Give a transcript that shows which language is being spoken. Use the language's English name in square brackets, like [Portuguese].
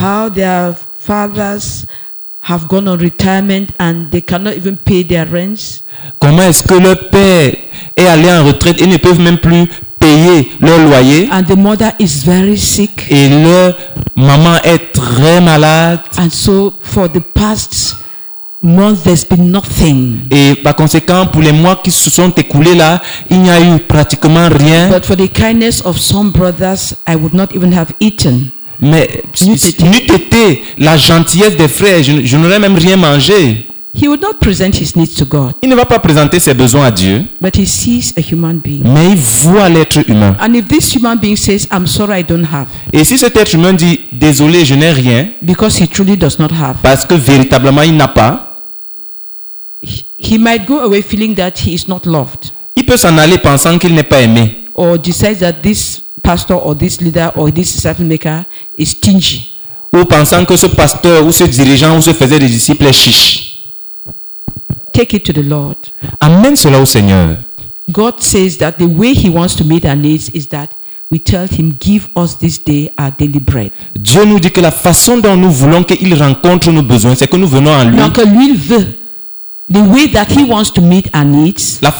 [English] How their fathers have gone on retirement and they cannot even pay their rents. [French] Comment est-ce que leur père est allé en retraite et ne peuvent même plus payer leur loyer. [English] And the mother is very sick. [French] Et leur maman est très malade. [English] And so for the past month there's been nothing. [French] Et par conséquent, pour les mois qui se sont écoulés là, il n'y a eu pratiquement rien. [English] But for the kindness of some brothers, I would not even have eaten. [French] Mais n'eût été la gentillesse des frères, je n'aurais même rien mangé. [English] He would not present his needs to God. [French] Il ne va pas présenter ses besoins à Dieu. [English] But he sees a human being. [French] Mais il voit l'être humain. [English] And if this human being says, "I'm sorry, I don't have." [French] Et si cet être humain dit, désolé, je n'ai rien. [English] Because he truly does not have. [French] Parce que véritablement il n'a pas. [English] He might go away feeling that he is not loved. [French] Il peut s'en aller pensant qu'il n'est pas aimé. [English] Or decides that this pastor or this leader or this disciple maker is stingy. [French] Ou pensant que ce pasteur ou ce dirigeant ou ce faisait des disciples est chiche. [English] Take it to the Lord. [French] Amène cela au Seigneur. [English] God says that the way he wants to meet our needs is that we tell him, give us this day our daily bread. [French] Dieu nous dit que la façon dont nous voulons qu'il rencontre nos besoins, c'est que nous venons à lui. Donc lui il veut. [English] The way that he wants to meet our needs.